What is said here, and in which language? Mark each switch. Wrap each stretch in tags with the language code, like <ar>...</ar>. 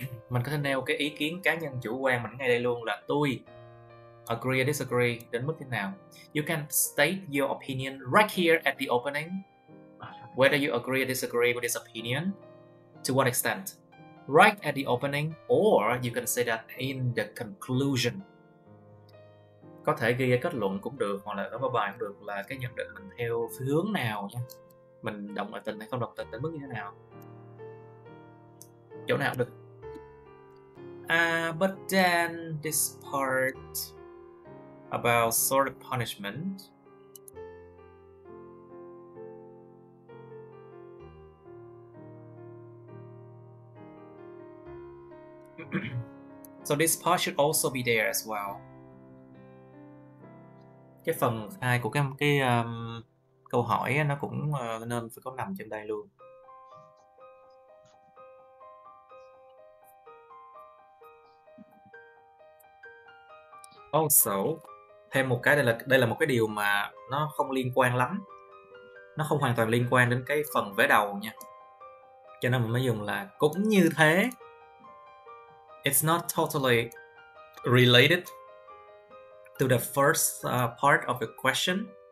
<vi>Mình có thể nêu cái ý kiến cá nhân chủ quan mình ngay đây luôn là tôi</vi> <en>agree or disagree</en> <vi>đến mức thế nào.</vi> <en>You can state your opinion right here at the opening, whether you agree or disagree with this opinion, to what extent, right at the opening, or you can say that in the conclusion.</en> <vi>Có thể ghi ở kết luận cũng được, hoặc là ở bài cũng được, là cái nhận định mình theo hướng nào nha. Mình đồng tình hay không đồng tình đến mức như thế nào. Chỗ nào cũng được.</vi> <en>But then this part about sort of punishment. So this part should also be there as well.</en> <vi>Cái phần 2 của cái câu hỏi nó cũng nên phải có nằm trên đây luôn. Also, thêm một cái, đây là một cái điều mà nó không liên quan lắm. Nó không hoàn toàn liên quan đến cái phần vế đầu nha. Cho nên mình mới dùng là cũng như thế.</vi> <en>It's not totally related to the first part of the question.</en>